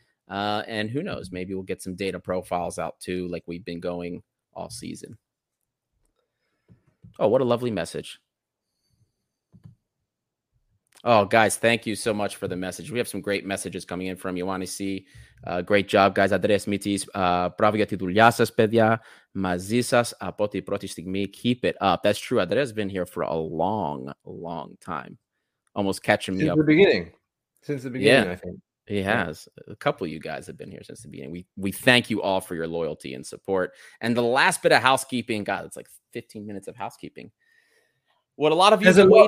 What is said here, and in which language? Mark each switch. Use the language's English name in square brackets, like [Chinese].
[English] And who knows, maybe we'll get some data profiles out too, like we've been going all season. Oh, what a lovely message. Oh, guys, thank you so much for the message. We have some great messages coming in from you. Want to see, great job, guys. [Greek] Andres Mitis, bravo για τη δουλειά σας, παιδιά. Μαζί σας από την πρώτη στιγμή. [English] Keep it up. That's true. Andres has been here for a long, long time. Almost catching me up. Since the beginning, yeah. I think. He has. A couple of you guys have been here since the beginning. We thank you all for your loyalty and support. And the last bit of housekeeping, God, it's like 15 minutes of housekeeping. What a lot of you have been waiting